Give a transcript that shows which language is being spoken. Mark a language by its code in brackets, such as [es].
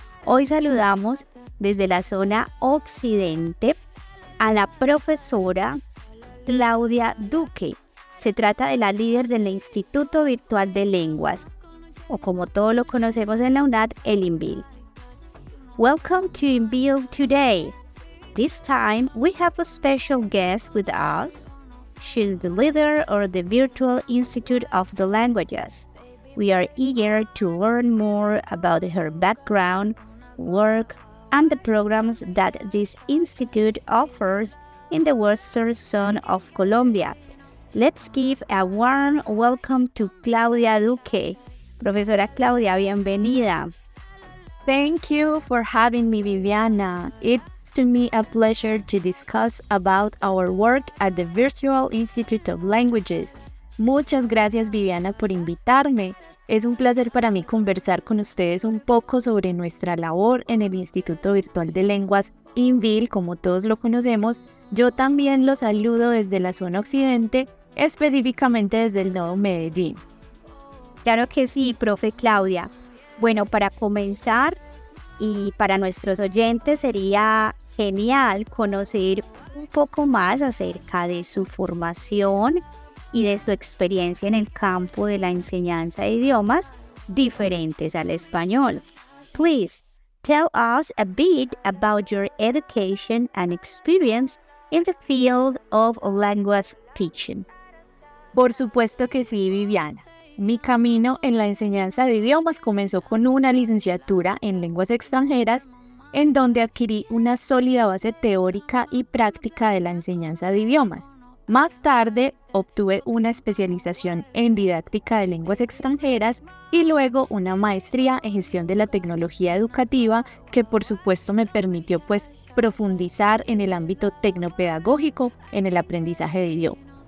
[es] Hoy saludamos desde la zona occidente a la profesora Claudia Duque. Se trata de la líder del Instituto Virtual de Lenguas, o como todos lo conocemos en la UNAD, el INBIL. [en] Welcome to INBIL today. This time we have a special guest with us. She's the leader of the Virtual Institute of the Languages. We are eager to learn more about her background, work, and the programs that this institute offers in the western zone of Colombia. Let's give a warm welcome to Claudia Duque. [es] Profesora Claudia, bienvenida. [en] Thank you for having me, Viviana. It's me a pleasure to discuss about our work at the Virtual Institute of Languages. [es] Muchas gracias, Viviana, por invitarme. Es un placer para mí conversar con ustedes un poco sobre nuestra labor en el Instituto Virtual de Lenguas, INBIL, como todos lo conocemos. Yo también los saludo desde la zona occidente, específicamente desde el nodo Medellín. Claro que sí, profe Claudia. Bueno, para comenzar, y para nuestros oyentes sería genial conocer un poco más acerca de su formación y de su experiencia en el campo de la enseñanza de idiomas diferentes al español. [en] Please tell us a bit about your education and experience in the field of language teaching. [es] Por supuesto que sí, Viviana. Mi camino en la enseñanza de idiomas comenzó con una licenciatura en lenguas extranjeras, en donde adquirí una sólida base teórica y práctica de la enseñanza de idiomas. Más tarde, obtuve una especialización en didáctica de lenguas extranjeras y luego una maestría en gestión de la tecnología educativa, que por supuesto me permitió pues profundizar en el ámbito tecnopedagógico en el aprendizaje de idiomas.